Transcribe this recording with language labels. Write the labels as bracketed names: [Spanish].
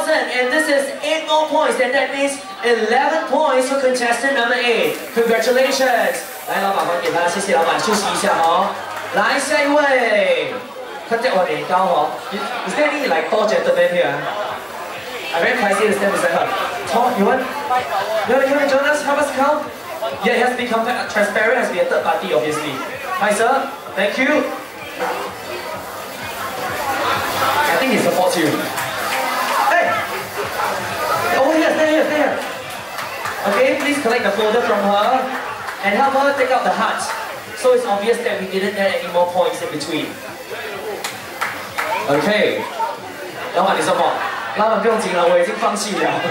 [English] 1, 2, 3,000, 4,000, 5,000, 6,000, 7,000, 8,000, and this is 8 more points, and that means 11 points for contestant number 8. Congratulations! [Chinese] 来,老板还给他,谢谢老板,休息一下哦。来,下一位! [English] Is there any like tall gentleman here? I'm very pricey to stand beside her. Tall, you want to come and join us, help us count? Yeah, he has to become transparent, has to be a third party, obviously. Hi sir, thank you. I think he supports you. Hey! Oh yes, there. Okay, please collect the folder from her and help her take out the heart. So it's obvious that we didn't add any more points in between. [Chinese] Okay. 老板你说什么? 老板不用紧了,我已经放弃了。